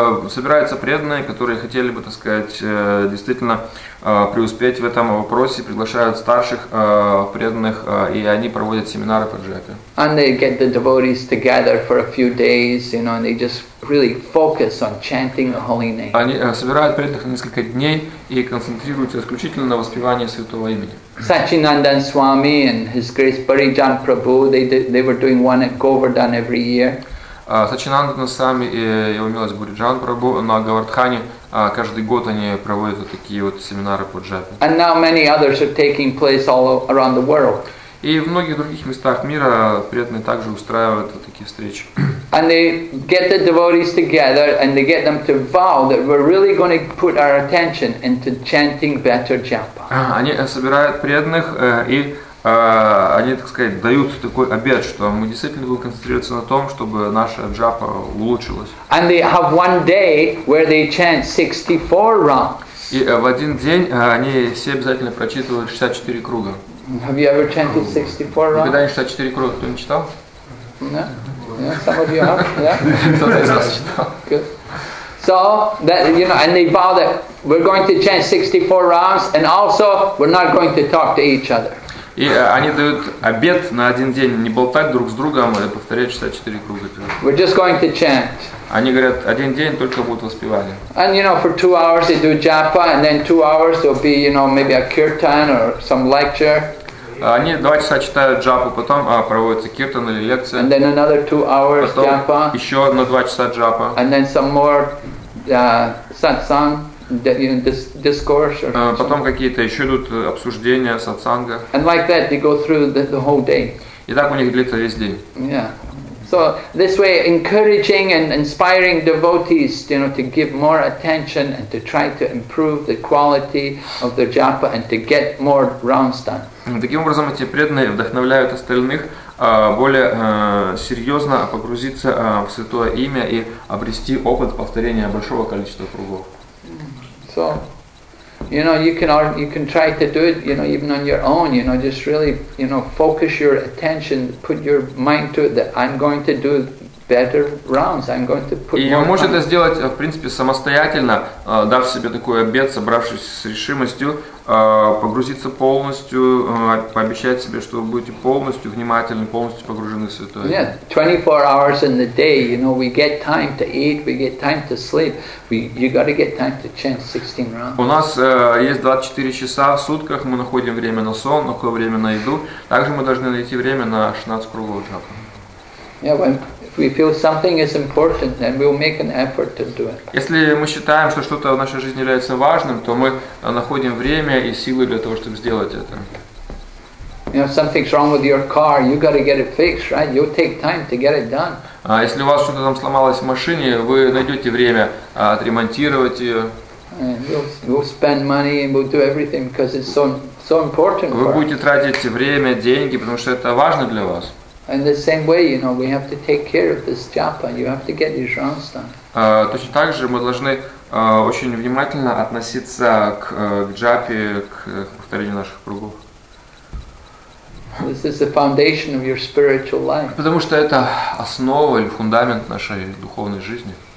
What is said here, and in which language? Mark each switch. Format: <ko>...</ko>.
<ru>Собираются преданные, которые хотели бы, так сказать, действительно преуспеть в этом вопросе, приглашают старших преданных, и они проводят семинары по джапе.</ru> <en>And they get the devotees together for a few days, you know, and they just really focus on chanting the holy name.</en> <ru>Они собирают преданных на несколько дней и концентрируются исключительно на воспевании святого имени.</ru> <en>Sachinandan Swami and His Grace Parijan Prabhu, they were doing one at Govardhan every year.</en> <ru>Сачинандана Свами и его милость Буриджан Прабху на Говардхане каждый год они проводят вот такие вот семинары по джапе.</ru> <en>And now many others are taking place all around the world.</en> <ru>И в многих других местах мира преданные также устраивают вот такие встречи.</ru> <en>And they get the devotees together and they get them to vow that we're really going to put our attention into chanting better japa.</en> <ru>Они собирают преданных и они, так сказать, дают такой обет, что мы действительно будем концентрироваться на том, чтобы наша джапа улучшилась.</ru> <en>And they have one day where they chant 64 rounds.</en> <ru>И в один день они все обязательно прочитывают 64 круга.</ru> <en>Have you ever chanted 64 rounds?</en> <ru>Никогда не 64 круга, кто не читал?</ru> <en>No. Yeah, some of you have, yeah? So that, you know, and they vow that we're going to chant 64 rounds and also we're not going to talk to each other.</en> <ru>И они дают обет на один день не болтать друг с другом и повторять 64 круга.</ru> <en>We're just going to chant.</en> <ru>Они говорят, один день только будут воспевали.</ru> <en>And you know, for 2 hours they do japa, and then 2 hours there'll be, you know, maybe a kirtan or some lecture.</en> <ru>Они 2 часа читают джапу, потом проводится киртан или лекция.</ru> <en>And then another 2 hours</en> <ru>japa. Еще на 2 часа джапа.</ru> <en>And then some more satsang, discourse.</en> <ru>Потом какие-то еще идут обсуждения сатсанга.</ru> <en>And like that they go through the whole day.</en> <ru>И так у них длится весь день.</ru> <en>So this way, encouraging and inspiring devotees, you know, to give more attention and to try to improve the quality of their japa and to get more rounds done.</en> <ru>Таким образом, эти преданные вдохновляют остальных более серьезно погрузиться в святое имя и обрести опыт повторения большого количества кругов.</ru> <en>So, you know, you can try to do it, you know, even on your own, you know, just really, you know, focus your attention, put your mind to it that I'm going to do better rounds, I'm going to put more.</en> <ru>И вы можете это сделать, в принципе, самостоятельно, дав себе такой обет, собравшись с решимостью, погрузиться полностью, пообещать себе, что вы будете полностью внимательны, полностью погружены в святое.</ru> <en>Yeah, 24 hours in the day, you know, we get time to eat, we get time to sleep, you got to get time to chant 16 rounds.</en> <ru>У нас есть 24 часа в сутках, мы находим время на сон, находим время на еду, также мы должны найти время на 16 кругов джапа.</ru> <en>Yeah, if we feel something is important, then we'll make an effort to do it.</en> <ru>Если мы считаем, что что-то в нашей жизни является важным, то мы находим время и силы для того, чтобы сделать это.</ru> <en>You know, if something's wrong with your car, you got to get it fixed, right? You'll take time to get it done.</en> <ru>А если у вас что-то там сломалось в машине, вы найдете время отремонтировать ее.</ru> <en>We'll spend money and we'll do everything because it's so important.</en> <ru>Вы будете тратить время, деньги, потому что это важно для вас.</ru> <en>In the same way, you know, we have to take care of this japa. You have to get your rounds done.</en> <ru>Точно так же мы должны очень внимательно относиться к джапе, к повторению наших кругов.</ru> <en>This is the foundation of your spiritual life.</en> <ru>Потому что это основа или фундамент нашей духовной жизни.</ru>